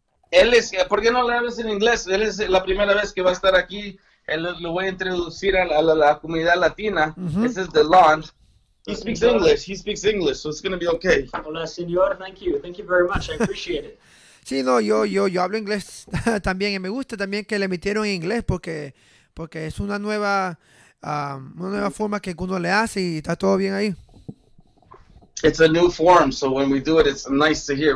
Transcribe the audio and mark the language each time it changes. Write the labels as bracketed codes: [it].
[es] Él es, ¿por qué no le hablas en inglés? Él es la primera vez que va a estar aquí. Lo voy a introducir a la comunidad latina. [en] Mm-hmm. This is the launch. He speaks English, so it's going to be okay. [es] Hola, señor. [en] Thank you very much. I appreciate it. [es] Sí, no, yo hablo inglés también, y me gusta también que le metieron en inglés porque es una nueva forma que uno le hace y está todo bien ahí. [en] It's a new form, so when we do it, it's nice to hear.